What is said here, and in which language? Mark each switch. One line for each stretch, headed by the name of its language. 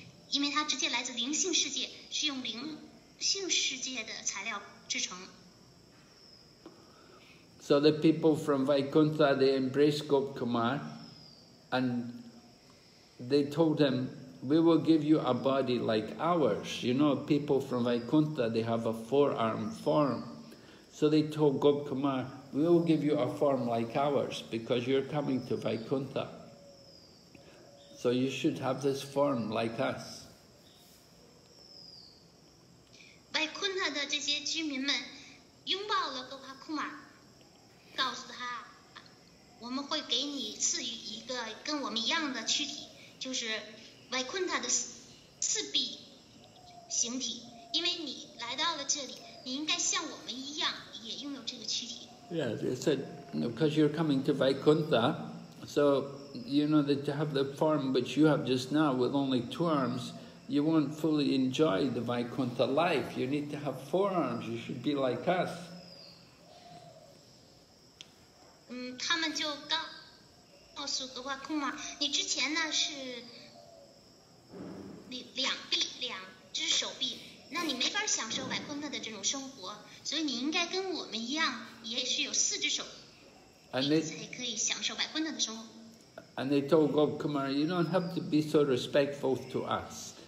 Chinese: 因为它直接来自灵性世界，是用灵性世界的材料制成。
English: So the people from Vaikuntha, they embraced Gop Kumar and they told him, we will give you a body like ours. You know, people from Vaikuntha, they have a four-arm form. So they told Gop Kumar, we will give you a form like ours because you're coming to Vaikuntha. So you should have this form like us.
Chinese: Vaikuntha 的这些居民们拥抱了 Gop Kumar. 告诉他，我们会给你赐予一个跟我们一样的躯体，就是 Vaikuntha 的四臂形体，因为你来到了这里，你应该像我们一样也拥有这个躯体。
English: Yeah, they said, because you're coming to Vaikuntha, so you know that to have the form which you have just now with only two arms, you won't fully enjoy the Vaikuntha life. You need to have four arms. You should be like us.
Chinese: 他们就告诉格瓦库玛，你之前呢是两只手臂，那你没法享受百昆特的这种生活，所以你应该跟我们一样，也是有四只手，你才可以享受百昆特的生活。
English: And they told God, Kumar, you don't have to be so respectful to us.